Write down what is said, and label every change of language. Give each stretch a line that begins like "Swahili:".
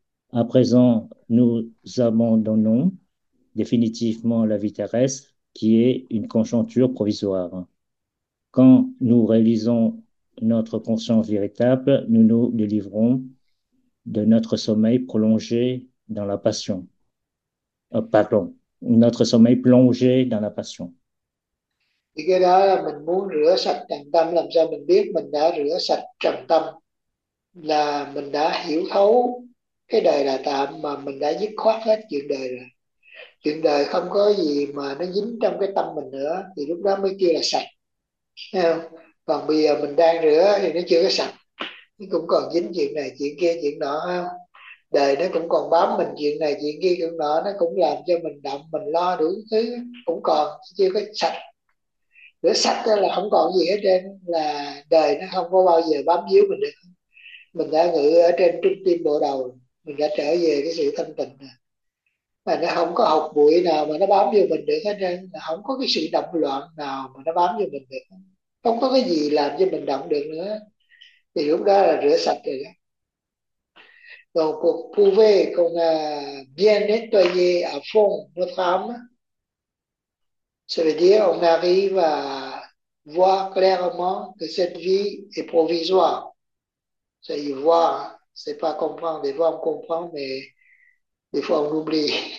French: À présent, nous abandonnons définitivement la vie terrestre qui est une conjoncture provisoire. Quand nous réalisons notre conscience véritable, nous nous délivrons de notre sommeil prolongé dans la passion. Pardon, notre sommeil plongé dans la passion.
Vietnamese: Thì cái đó là mình muốn rửa sạch trần tâm, làm sao mình biết mình đã rửa sạch trần tâm, là mình đã hiểu thấu cái đời là tạm, mà mình đã dứt khoát hết chuyện đời rồi, chuyện đời không có gì mà nó dính trong cái tâm mình nữa, thì lúc đó mới kêu là sạch, thấy không? Còn bây giờ mình đang rửa thì nó chưa có sạch, nó cũng còn dính chuyện này chuyện kia chuyện nọ, đời nó cũng còn bám mình chuyện này chuyện kia chuyện nọ, nó cũng làm cho mình đậm mình lo đủ thứ, cũng còn chưa có sạch. Rửa sạch đó là không còn gì hết trơn, là đời nó không có bao giờ bám víu mình được. Mình đã ngự ở trên trung tâm bộ đầu, mình đã trở về cái sự thanh tịnh rồi. Mà nó không có hột bụi nào mà nó bám vô mình được hết trơn, không có cái sự động loạn nào mà nó bám vô mình được. Không có cái gì làm cho mình động được nữa. Thì lúc đó là rửa sạch rồi đó.
French: Donc, vous pouvez con bien nettoyer à fond votre âme. C'est-à-dire, on arrive à voir clairement que cette vie est provisoire. C'est-à-dire, voir, c'est pas comprendre. Des fois, on comprend, mais des fois, on oublie.